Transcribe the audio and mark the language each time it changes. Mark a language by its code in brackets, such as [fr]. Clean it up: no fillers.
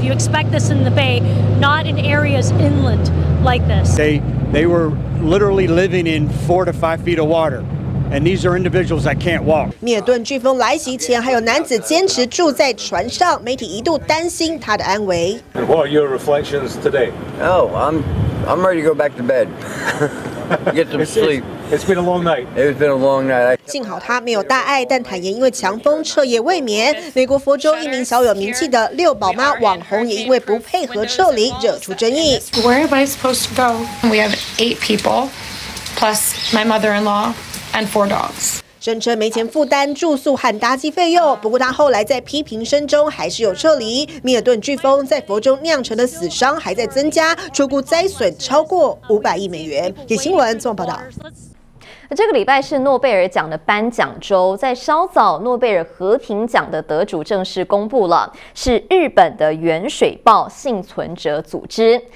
[en] You expect this in the Bay, not in areas inland like this. They were literally living in 4 to 5 feet of water. And these are individuals that can't walk. [zh] 灭顿飓风来袭前，还有男子坚持住在船上，媒体一度担心他的安危。 [en] What are your reflections today? Oh, I'm ready to go back to bed. Get some sleep. It's been a long night. It's been a long night. [zh] 幸好他没有大碍，但坦言因为强风彻夜未眠。美国佛州一名小有名气的六宝妈网红也因为不配合撤离，惹出争议。 Where am I supposed to go? We have 8 people, plus my mother-in-law. And four dogs. 声称没钱负担住宿和搭机费用，不过他后来在批评声中还是有撤离。密尔顿飓风在佛州酿成的死伤还在增加，初估灾损超过500亿美元。野新闻综合报道。这个礼拜是诺贝尔奖的颁奖周，在稍早，诺贝尔和平奖的得主正式公布了，是日本的原水爆幸存者组织。